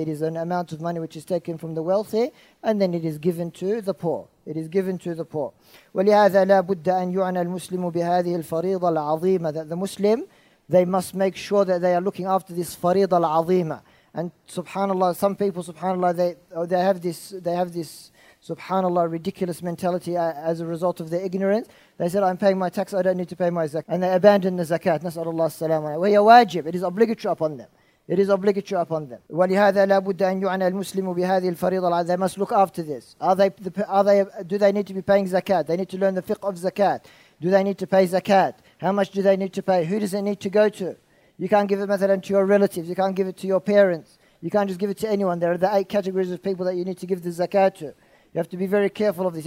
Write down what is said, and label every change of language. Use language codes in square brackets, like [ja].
[en] It is an amount of money which is taken from the wealthy and then it is given to the poor. It is given to the poor. [ar] ولهذا لا بد أن يعنى المسلم بهذه الفريضة العظيمة. [en] That the Muslim, they must make sure that they are looking after this [ar] فريضة العظيمة. [en] And subhanAllah, some people, subhanAllah, they have this subhanAllah, ridiculous mentality as a result of their ignorance. They said, I'm paying my tax, I don't need to pay my zakat. And they abandon the zakat. [ar] نسأل الله السلام عليكم. وهي واجب. [en] It is obligatory upon them. It is obligatory upon them. [ar] ولهذا لا بد أن يعنى المسلم بهذه الفريضة. [en] They must look after this. Do they need to be paying zakat? They need to learn the fiqh of zakat. Do they need to pay zakat? How much do they need to pay? Who does it need to go to? You can't give it مثلاً to your relatives. You can't give it to your parents. You can't just give it to anyone. There are the 8 categories of people that you need to give the zakat to. You have to be very careful of this.